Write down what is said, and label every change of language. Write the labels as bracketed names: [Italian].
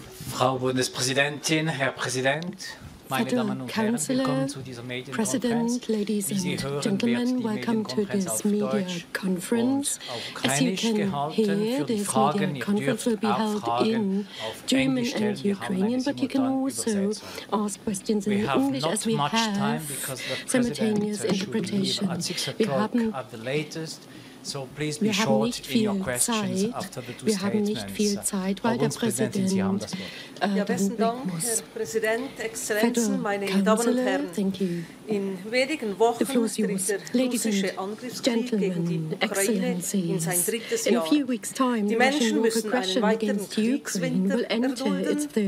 [German] Frau Bundespräsidentin, Herr Präsident, meine Damen und Herren, willkommen zu dieser Medienkonferenz. Wie Sie hören, wird die Medienkonferenz auf Deutsch und Ukrainisch gehalten. Für die Fragen, ihr dürft auch Fragen auf Englisch stellen, wir haben eine simultane Übersetzung. [English] We have not much time, because the President should be at 6 o'clock at the latest. So please be short in your questions after the two statements. [German] Wir haben nicht viel Zeit, weil der Präsident Ja, besten Dank, Herr Präsident, Exzellenzen, meine Damen und Herren. In wenigen Wochen tritt der russische Angriffskrieg gegen die Ukraine in sein drittes Jahr. Die Menschen müssen einen weiteren Kriegswinter erdulden.